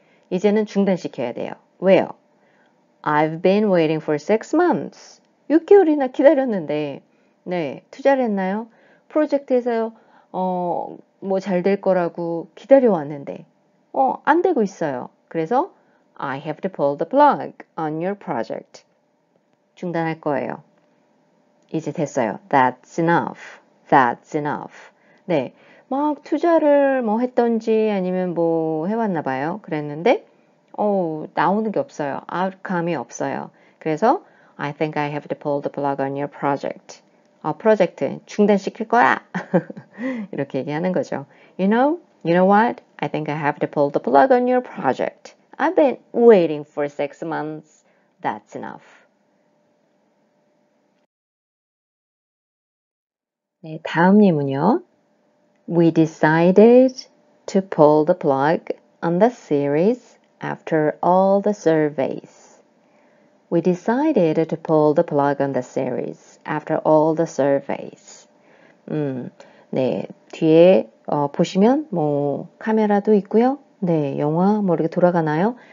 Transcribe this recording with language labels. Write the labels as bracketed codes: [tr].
[ko] 이제는 중단시켜야 돼요. 왜요? [en] I've been waiting for 6 months. [ko] 6개월이나 기다렸는데. 네, 투자를 했나요? 프로젝트에서요. 뭐잘될 거라고 기다려왔는데. 안 되고 있어요. 그래서 [en] I have to pull the plug on your project. [ko] 중단할 거예요. 이제 됐어요. [en] That's enough. That's enough. [ko] 네. 막 투자를 뭐 했던지 아니면 뭐 해봤나 봐요. 그랬는데, 나오는 게 없어요. outcome이 없어요. 그래서 [en] I think I have to pull the plug on your project. [ko] 프로젝트 중단시킬 거야. 이렇게 얘기하는 거죠. [en] You know what? I think I have to pull the plug on your project. I've been waiting for 6 months. That's enough. [ko] 네, 다음 예문요. [en] We decided to pull the plug on the series after all the surveys. We decided to pull the plug on the series after all the surveys. [ko] 네, 뒤에 보시면 뭐 카메라도 있고요. 네, 영화 뭐 이렇게 돌아가나요?